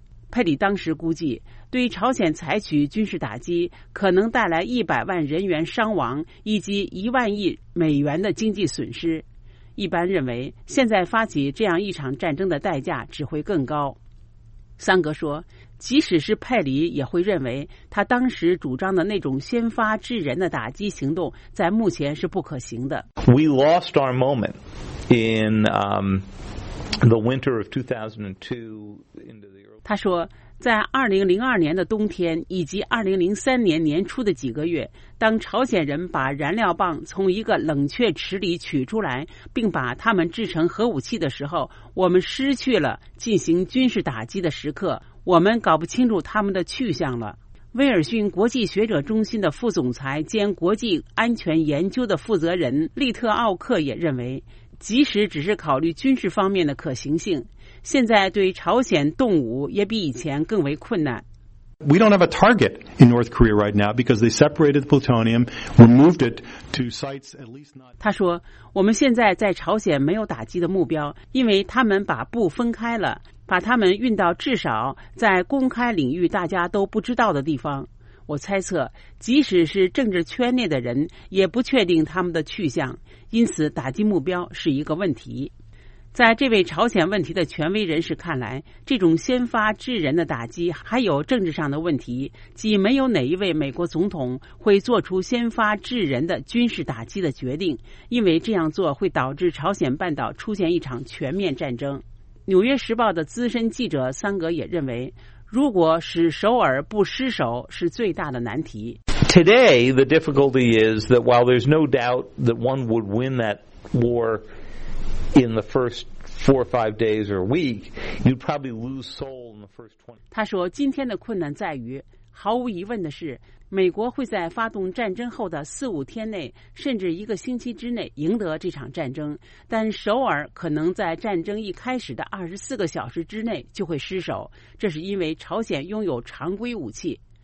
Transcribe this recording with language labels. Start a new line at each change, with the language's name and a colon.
Chinese: 佩里当时估计，对朝鲜采取军事打击可能带来100万人员伤亡以及10000亿美元的经济损失。一般认为，现在发起这样一场战争的代价只会更高。桑格说，即使是佩里也会认为他当时主张的那种先发制人的打击行动在目前是不可行的。
English: We lost our moment in the winter of 2002.
Chinese: 他说，在2002年的冬天以及2003年年初的几个月，当朝鲜人把燃料棒从一个冷却池里取出来并把它们制成核武器的时候，我们失去了进行军事打击的时刻，我们搞不清楚他们的去向了。威尔逊国际学者中心的副总裁兼国际安全研究的负责人利特奥克也认为，即使只是考虑军事方面的可行性，现在对朝鲜动武也比以前更为困难。
English: We don't have a target in North Korea right now because they separated the plutonium, removed it to sites at least not.
Chinese: 他说，我们现在在朝鲜没有打击的目标，因为他们把布分开了，把他们运到至少在公开领域大家都不知道的地方。我猜测，即使是政治圈内的人也不确定他们的去向，因此打击目标是一个问题。在这位朝鲜问题的权威人士看来，这种先发制人的打击还有政治上的问题，即没有哪一位美国总统会做出先发制人的军事打击的决定，因为这样做会导致朝鲜半岛出现一场全面战争。纽约时报的资深记者桑格也认为，如果使首尔不失守是最大的难题。
English: Today the difficulty is that while there's no doubt that one would win that war in the first four or five days or a week, you'd probably lose Seoul in the first 20.
Chinese: 他说，今天的困难在于，毫无疑问的是，美国会在发动战争后的四五天内，甚至一个星期之内赢得这场战争，但首尔可能在战争一开始的24小时之内就会失守，这是因为朝鲜拥有常规武器。